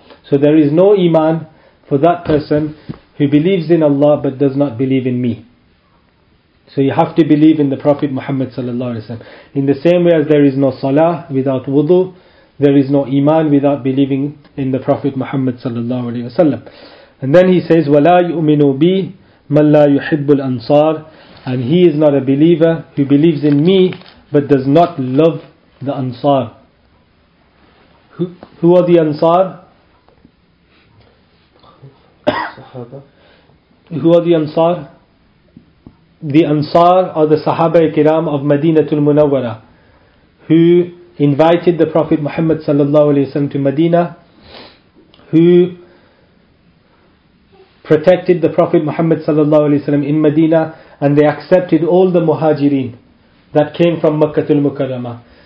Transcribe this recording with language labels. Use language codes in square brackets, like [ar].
[en] So there is no iman for that person who believes in Allah but does not believe in me. So you have to believe in the Prophet Muhammad sallallahu alaihi wasallam. In the same way as there is no salah without wudu, there is no iman without believing in the Prophet Muhammad sallallahu alaihi wasallam. And then he says, [ar] وَلَا يُؤْمِنُ بِي مَنْ لَا يُحِبُّ الْأَنصَارِ. [en] And he is not a believer who believes in me but does not love the Ansar. Who are the Ansar? The Ansar are the Sahaba Kiram of Madinatul Munawwara, who invited the Prophet Muhammad sallallahu alaihi wasallam to Medina, who protected the Prophet Muhammad sallallahu alaihi wasallam in Medina, and they accepted all the Muhajirin that came from Makkatul Mukarrama.